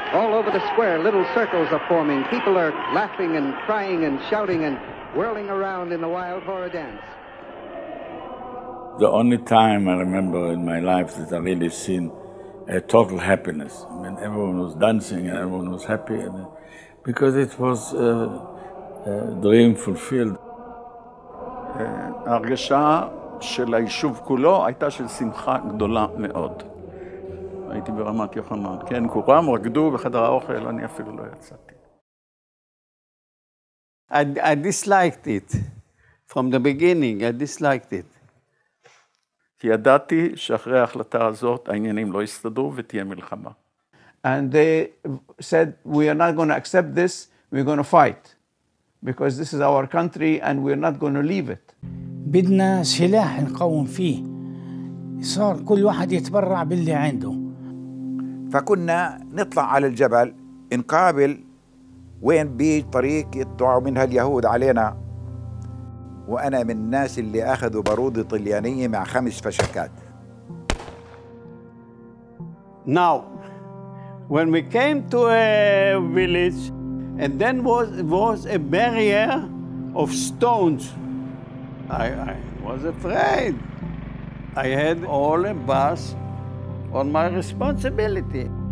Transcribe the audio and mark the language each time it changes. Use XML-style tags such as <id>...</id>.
<en>All over the square, little circles are forming. People are laughing and crying and shouting and whirling around in the wild horror dance. The only time I remember in my life that I really seen a total happiness. I mean, everyone was dancing and everyone was happy, and because it was a dream fulfilled.</en> <he>ההרגשה של היישוב כולו הייתה של שמחה גדולה מאוד. הייתי ברמת יוחנן, כן, כולם רקדו בחדר האוכל, אני אפילו לא יצאתי.</he> <en>I disliked it from the beginning, I disliked it.</en> <he>כי ידעתי שאחרי ההחלטה הזאת העניינים לא יסתדרו ותהיה מלחמה.</he> <en>And they said, we are not going to accept this, we're going to fight. Because this is our country and we're not going to leave it.</en> <ar>بدنا سلاح نقوم فيه. صار كل واحد يتبرع باللي عنده. فكنا نطلع على الجبل نقابل وين بطريق يطلعوا منها اليهود علينا. وأنا من الناس اللي أخذوا بارودة طليانية مع خمس فشكات.</ar> <en>Now, when we came to a village, and then was a barrier of stones. I was afraid. I had all a bus on my responsibility.</en>